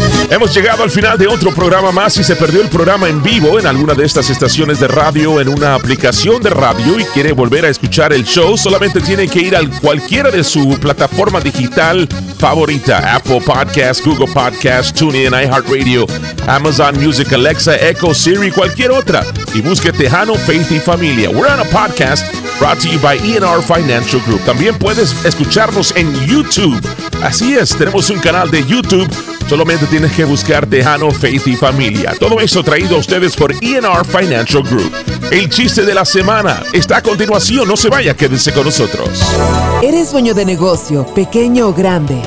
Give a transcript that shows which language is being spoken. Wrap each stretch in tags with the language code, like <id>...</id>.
<es>Hemos llegado al final de otro programa más. Si se perdió el programa en vivo en alguna de estas estaciones de radio, en una aplicación de radio, y quiere volver a escuchar el show, solamente tiene que ir a cualquiera de su plataforma digital favorita: Apple Podcasts, Google Podcasts, TuneIn, iHeartRadio, Amazon Music, Alexa, Echo, Siri, cualquier otra, y busque Tejano, Faith y Familia.</es> <en>We're on a podcast brought to you by E&R Financial Group.</en> <es>También puedes escucharnos en YouTube. Así es, tenemos un canal de YouTube. Solamente tienes que buscar Tejano, Faith y Familia. Todo eso traído a ustedes por E&R Financial Group. El chiste de la semana está a continuación. No se vaya, quédense con nosotros. ¿Eres dueño de negocio, pequeño o grande?</es>